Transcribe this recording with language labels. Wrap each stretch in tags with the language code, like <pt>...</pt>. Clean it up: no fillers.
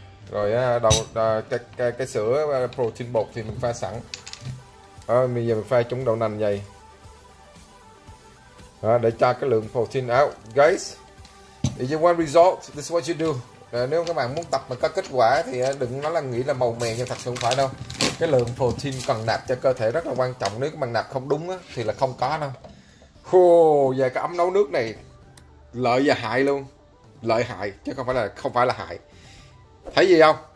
<vi>Rồi đầu cái sữa protein bột thì mình pha sẵn. Bây giờ mình pha chung đậu nành vậy để cho cái lượng protein out.</vi> <en>Guys, if you want result, this is what you do.</en> <vi>Nếu các bạn muốn tập mà có kết quả thì đừng nói là nghĩ là màu mè, nhưng thật sự không phải đâu. Cái lượng protein cần nạp cho cơ thể rất là quan trọng, nếu các bạn nạp không đúng thì là không có đâu. Khô, về cái ấm nấu nước này lợi và hại luôn. Lợi hại chứ không phải là hại. Thấy gì không?</vi>